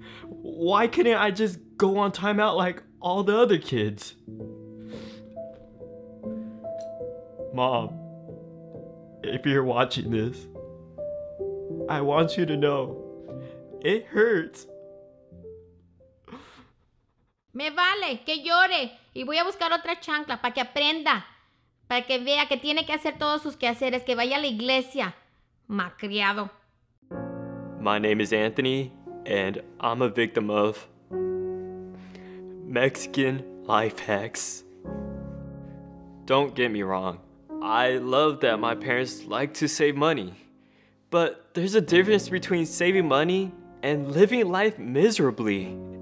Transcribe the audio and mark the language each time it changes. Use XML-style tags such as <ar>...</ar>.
<en>Why couldn't I just go on timeout like all the other kids? Mom, if you're watching this, I want you to know, it hurts.</en> <es>Me vale que llore y voy a buscar otra chancla para que aprenda, para que vea que tiene que hacer todos sus quehaceres, que vaya a la iglesia, malcriado.</es> <en>My name is Anthony, and I'm a victim of Mexican life hacks. Don't get me wrong. I love that my parents like to save money, but there's a difference between saving money and living life miserably.</en>